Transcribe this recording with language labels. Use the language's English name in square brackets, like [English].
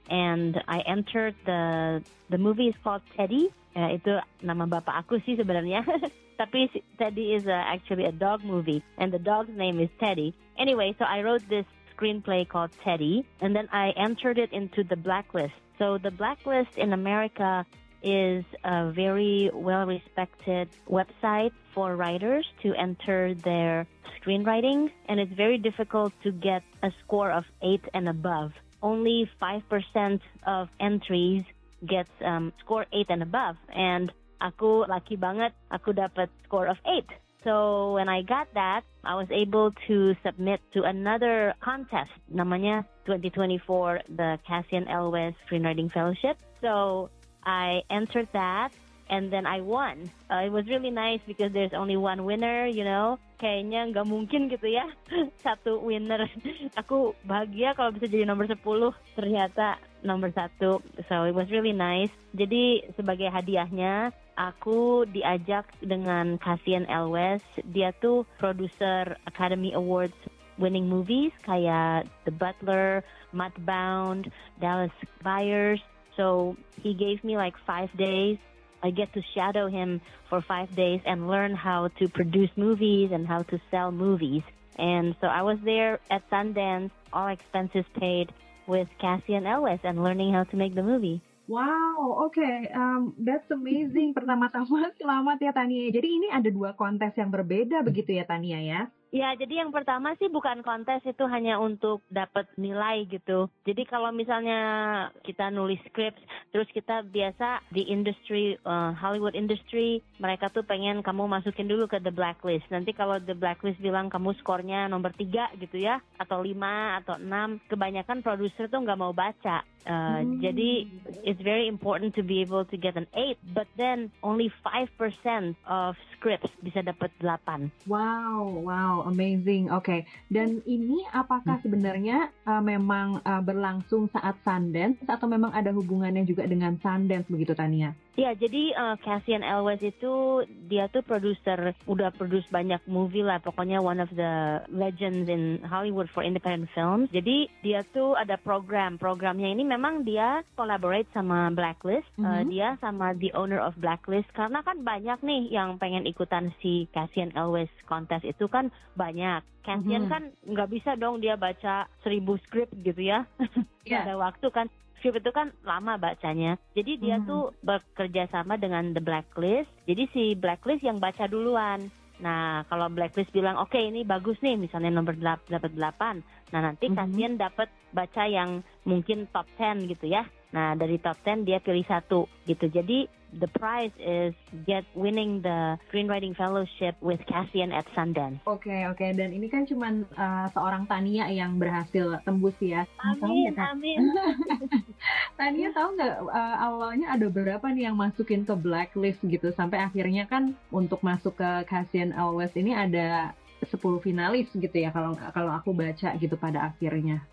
[English] And I entered the movie is called Teddy. [Indonesian] Ya, itu nama bapak aku sih sebenarnya. [English] Tapi Teddy is actually a dog movie. And the dog's name is Teddy. Anyway, so I wrote this screenplay called Teddy, and then I entered it into the Blacklist. So the Blacklist in America is a very well-respected website for writers to enter their screenwriting, and it's very difficult to get a score of 8 and above. Only 5% of entries gets score 8 and above, and [Indonesian] aku lucky banget, aku dapat [English] score of 8. So when I got that, I was able to submit to another contest, namanya 2024, the Cashion Elwes Screenwriting Fellowship. So I entered that, and then I won. It was really nice because there's only one winner, you know. [Indonesian] Kayaknya nggak mungkin gitu ya, satu winner. Aku bahagia kalau bisa jadi nomor 10, ternyata nomor 1. [English] So it was really nice. [Indonesian] Jadi sebagai hadiahnya, aku diajak dengan Cashion Elwes. Dia tuh produser Academy Awards winning movies kayak The Butler, Mudbound, Dallas Buyers. [English] So he gave me like 5 days. I get to shadow him for 5 days and learn how to produce movies and how to sell movies. And so I was there at Sundance, all expenses paid, with Cashion Elwes and learning how to make the movie. Wow, okay, that's amazing. [Indonesian] Pertama-tama selamat ya Tania. Jadi ini ada dua kontes yang berbeda begitu ya Tania ya? Ya, jadi yang pertama sih bukan kontes, itu hanya untuk dapat nilai gitu. Jadi kalau misalnya kita nulis script, terus kita biasa di industry, Hollywood industry, mereka tuh pengen kamu masukin dulu ke The Blacklist. Nanti kalau The Blacklist bilang kamu skornya nomor 3 gitu ya, atau 5 atau 6, kebanyakan produser tuh nggak mau baca. [English] Jadi it's very important to be able to get an 8, but then only 5% of scripts [Indonesian] bisa dapat 8. [English] Wow, amazing. Okay. [Indonesian] Dan ini apakah sebenarnya memang berlangsung saat Sundance atau memang ada hubungannya juga dengan Sundance begitu Tania? Ya, jadi Cassian Elwes itu, dia tuh produser, udah produce banyak movie lah, pokoknya [English] one of the legends in Hollywood for independent films. [Indonesian] Jadi dia tuh ada program, programnya ini memang dia collaborate sama Blacklist, dia sama [English] the owner of Blacklist, [Indonesian] karena kan banyak nih yang pengen ikutan si Cassian Elwes contest itu kan banyak. Cassian kan nggak bisa dong dia baca 1000 script gitu ya, nggak ada waktu kan. Script itu kan lama bacanya. Jadi dia tuh bekerja sama dengan The Blacklist. Jadi si Blacklist yang baca duluan. Nah, kalau Blacklist bilang, oke ini bagus nih, misalnya nomor 8. Nah, nanti Cassian dapat baca yang mungkin top 10 gitu ya. Nah, dari top 10 dia pilih satu gitu. [English] Jadi the prize is winning the screenwriting fellowship with Cassian at Sundance. Okay. [Indonesian] Dan ini kan cuman seorang Tania yang berhasil tembus ya. Amin. Tania tahu nggak awalnya ada berapa nih yang masukin ke Blacklist gitu, sampai akhirnya kan untuk masuk ke Cassian Elwes ini ada 10 finalis gitu ya, kalau aku baca gitu pada akhirnya.